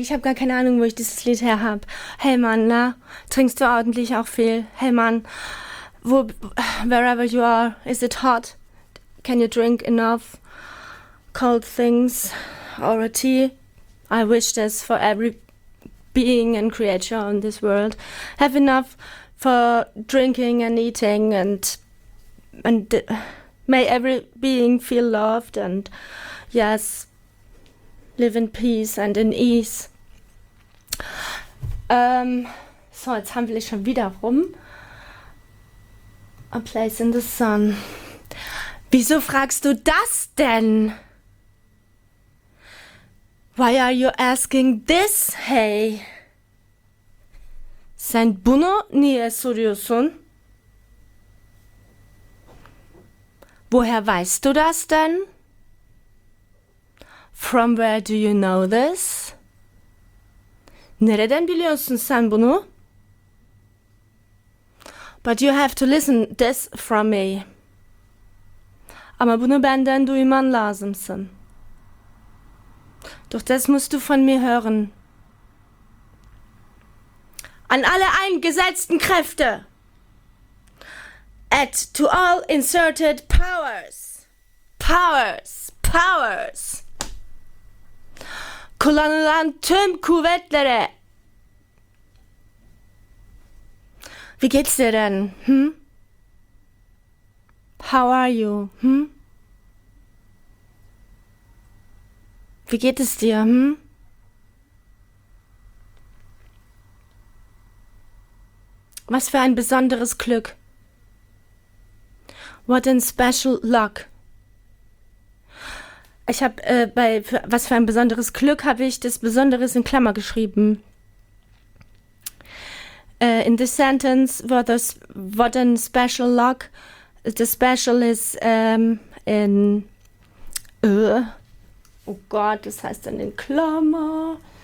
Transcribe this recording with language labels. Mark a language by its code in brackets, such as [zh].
[de] Ich habe gar keine Ahnung, wo ich dieses Lied her habe. Hey Mann, na? Trinkst du ordentlich auch viel? Hey Mann, wo, [en] wherever you are, is it hot? Can you drink enough cold things or a tea? I wish this for every being and creature on this world. Have enough for drinking and eating and may every being feel loved and, yes, live in peace and in ease. [de] So, jetzt haben wir schon wieder rum. A Place in the Sun. Wieso fragst du das denn? [en] Why are you asking this, hey? [tr] Sen bunu niye soruyorsun? [de] Woher weißt du das denn? [en] From where do you know this? [tr] Nereden biliyorsun sen bunu? [en] But you have to listen this from me. [tr] Ama bunu benden duyman lazımsın. [de] Doch das musst du von mir hören. An alle eingesetzten Kräfte! [en] Add to all inserted powers. Powers. Powers. [tr] Kullanılan tüm kuvvetlere. [de] Wie geht's dir denn? Hm? [en] How are you? Hm? [de] Wie geht es dir? Hm? Was für ein besonderes Glück. [en] What a special luck. [de] Ich habe bei für, was für ein besonderes Glück habe ich das Besonderes in Klammer geschrieben. [en] In this sentence, what a special luck. The special is in. [de] Oh Gott, das heißt dann in Klammer.